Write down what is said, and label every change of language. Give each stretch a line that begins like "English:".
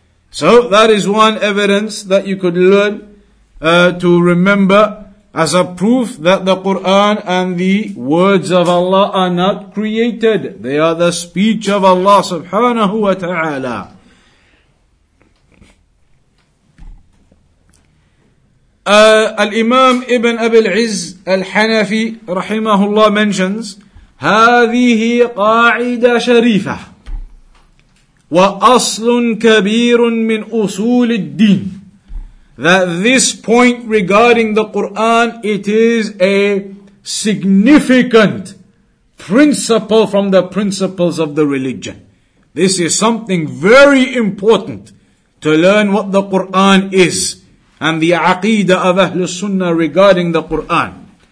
English: So that is one evidence that you could learn to remember as a proof that the Qur'an and the words of Allah are not created. They are the speech of Allah subhanahu wa ta'ala.
Arabic: Al-Imam Ibn Abi al-Izz al-Hanafi rahimahullah
English: mentions,
Arabic: هذه قاعدة شريفة وأصل كبير من أصول الدين.
English: That this point regarding the Qur'an, it is a significant principle from the principles of the religion. This is something very important to learn what the Qur'an is and the Aqeedah of Ahlus Sunnah regarding the Qur'an.